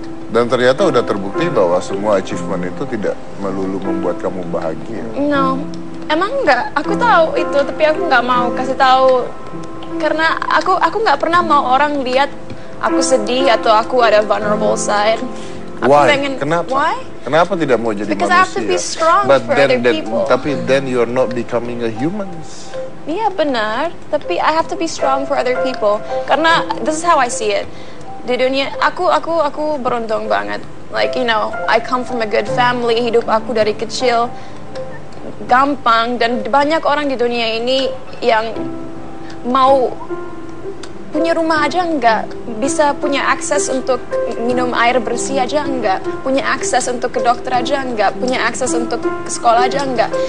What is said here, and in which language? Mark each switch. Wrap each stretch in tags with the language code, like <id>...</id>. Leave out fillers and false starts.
<id>Dan ternyata udah terbukti bahwa semua achievement itu tidak melulu membuat kamu bahagia. No, emang enggak. Aku tahu itu, tapi aku enggak mau kasih tahu. Karena aku enggak pernah mau orang lihat aku sedih atau aku ada vulnerable side. Kenapa tidak mau jadi</id> <en>Because Because I have to be strong but for then, other people. Tapi then you're not becoming a human.</en> <id>Iya benar, tapi</id> <en>I have to be strong for other people. Karena this is how I see it.</en> <id>Di dunia aku beruntung banget.</id> <en>Like, you know, I come from a good family.</en> <id>Hidup aku dari kecil gampang dan banyak orang di dunia ini yang mau punya rumah aja enggak, bisa punya akses untuk minum air bersih aja enggak, punya akses untuk ke dokter aja enggak, punya akses untuk ke sekolah aja enggak.</id>